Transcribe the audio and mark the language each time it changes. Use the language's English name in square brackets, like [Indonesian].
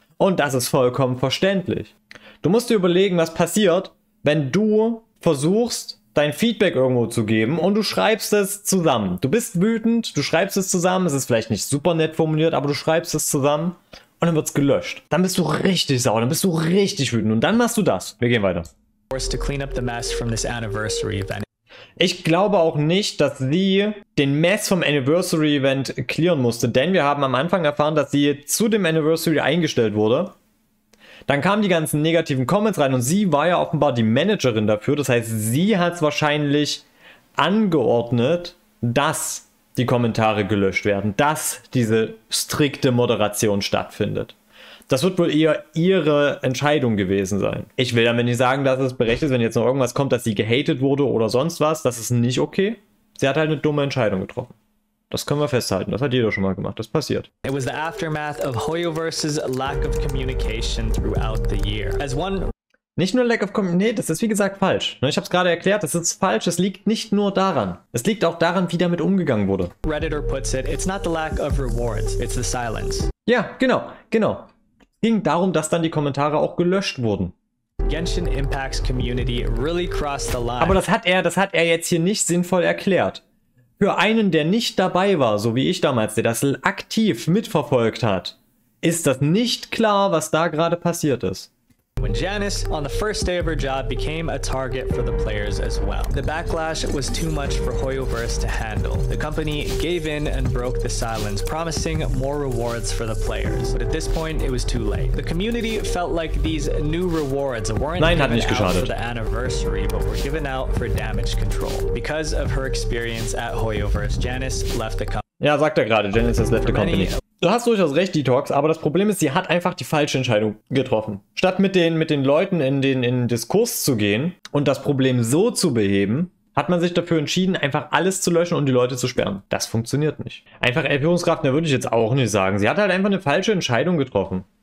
[German] Und das ist vollkommen verständlich. Du musst dir überlegen, was passiert, wenn du versuchst, dein Feedback irgendwo zu geben und du schreibst es zusammen. Du bist wütend, du schreibst es zusammen, es ist vielleicht nicht super nett formuliert, aber du schreibst es zusammen und dann wird's gelöscht. Dann bist du richtig sauer, dann bist du richtig wütend und dann machst du das. Wir gehen weiter. [English] To clean up the mess from this anniversary event. [German] Ich glaube auch nicht, dass sie den Mess vom Anniversary Event clearen musste, denn wir haben am Anfang erfahren, dass sie zu dem Anniversary eingestellt wurde. Dann kamen die ganzen negativen Comments rein und sie war ja offenbar die Managerin dafür. Das heißt, sie hat es wahrscheinlich angeordnet, dass die Kommentare gelöscht werden, dass diese strikte Moderation stattfindet. Das wird wohl eher ihre Entscheidung gewesen sein. Ich will damit nicht sagen, dass es berechtigt ist, wenn jetzt noch irgendwas kommt, dass sie gehatet wurde oder sonst was. Das ist nicht okay. Sie hat halt eine dumme Entscheidung getroffen. Das können wir festhalten. Das hat jeder schon mal gemacht. Das passiert. [English] It was the aftermath of HoYoVerse's lack of communication throughout the year. As one... [German] Nicht nur [English] lack of communication. [German] Nee, das ist wie gesagt falsch. Ich habe es gerade erklärt. Das ist falsch. Es liegt nicht nur daran. Es liegt auch daran, wie damit umgegangen wurde. [English] Redditor puts it, it's not the lack of rewards, it's the silence. [German] Ja, genau, genau. Ging darum, dass dann die Kommentare auch gelöscht wurden. [English] Genshin Impact's community really crossed the line. [German] Aber das hat er jetzt hier nicht sinnvoll erklärt. Für einen, der nicht dabei war, so wie ich damals, der das aktiv mitverfolgt hat, ist das nicht klar, was da gerade passiert ist. [English] When Janice, on the first day of her job, became a target for the players as well. The backlash was too much for HoYoVerse to handle. The company gave in and broke the silence, promising more rewards for the players. But at this point, it was too late. The community felt like these new rewards weren't given out for the anniversary, but were given out for damage control. Because of her experience at HoYoVerse, Janice left the company. [German] Ja, sagt er gerade, [English] Janice has left the company. [German] Du hast durchaus recht, Detox, aber das Problem ist, sie hat einfach die falsche Entscheidung getroffen. Statt mit den Leuten in den Diskurs zu gehen und das Problem so zu beheben, hat man sich dafür entschieden, einfach alles zu löschen und die Leute zu sperren. Das funktioniert nicht. Einfach Führungskraft, da würde ich jetzt auch nicht sagen. Sie hat halt einfach eine falsche Entscheidung getroffen.